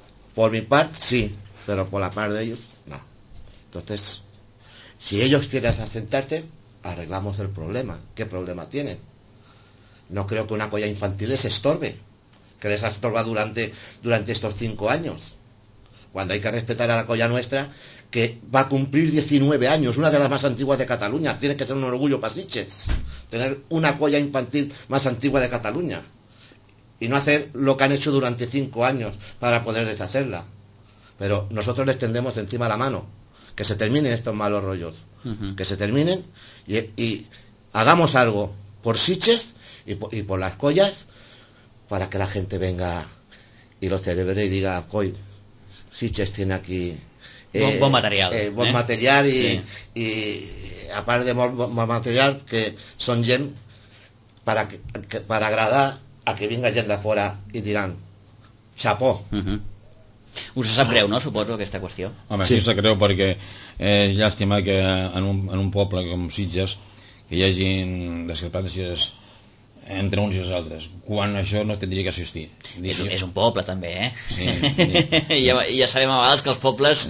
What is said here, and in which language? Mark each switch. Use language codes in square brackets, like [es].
[ca] Per mi part sí, però per la part d'ells no. [es] Entonces, si ellos quieren asentarte, arreglamos el problema. ¿Qué problema tienen? No creo que una colla infantil les estorbe, que les ha estorbado durante estos 5 años. Cuando hay que respetar a la colla nuestra, que va a cumplir 19 años, una de las más antiguas de Cataluña. Tiene que ser un orgullo para Sitges tener una colla infantil más antigua de Cataluña. Y no hacer lo que han hecho durante 5 años para poder deshacerla. Pero nosotros les tendemos encima la mano. Que se terminen estos malos rollos. Uh-huh. Que se terminen y hagamos algo por Sitges y por las collas, para que la gente venga y los celebre y diga, coy, Sitges tiene aquí buen material. Buen material y, sí. Y aparte de buen material, que son gem para agradar a que venga gent de fuera y dirán, chapó. Uh-huh. [ca] Us sap greu, no? Suposo, aquesta qüestió. Home, sí, sap greu, perquè llàstima que en un poble com Sitges que hi hagi discrepàncies entre uns i els altres, quan això no tindria que assistir. És un poble, també, Sí. Ja sabem a vegades que els pobles...